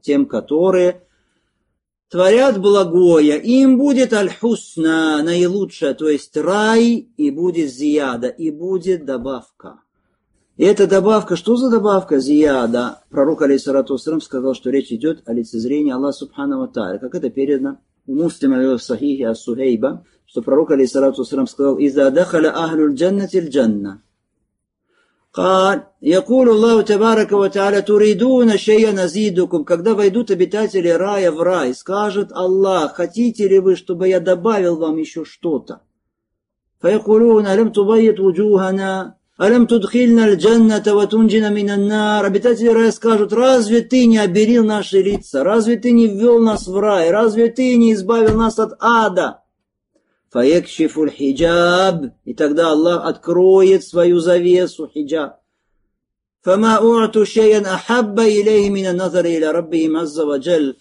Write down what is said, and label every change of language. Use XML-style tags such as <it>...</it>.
<ru>Тем, которые творят благое, им будет аль-хусна, наилучшее, то есть рай, и будет зияда, и будет добавка. И эта добавка, что за добавка зияда? Пророк, алейхиссалату вассалям, сказал, что речь идет о лицезрении Аллаха Субхану Тар. Как это передано у муслима в Сахихе ас-Сухейба, что пророк, алейхиссалату вассалям, сказал «Иза дахаля ахлюль джаннати л-джанна».</ru> <ar>يقول الله تبارك وتعالى تريدون شيئا نزيدكم.</ar> <ru>Когда войдут обитатели рая в рай, скажет Аллах, хотите ли вы, чтобы я добавил вам еще что-то?</ru> <ar>فيقولون ألم تبيض وجوهنا ألم تدخلنا الجنة وتنجينا من النار.</ar> <ru>Обитатели рая скажут, разве ты не оберил наши лица? Разве ты не ввел нас в рай? Разве ты не избавил нас от ада?</ru> <ar>فَيَكْشِفُ الْحِجَابِ.</ar> <ru>И тогда Аллах откроет свою завесу, хиджаб.</ru> <ar>فَمَا أُعْتُ شَيْءًا أَحَبَّ إِلَيْهِ مِنَ النَّظَرِ إِلَى رَبِّهِمْ عَزَّ وَجَلِّ.</ar>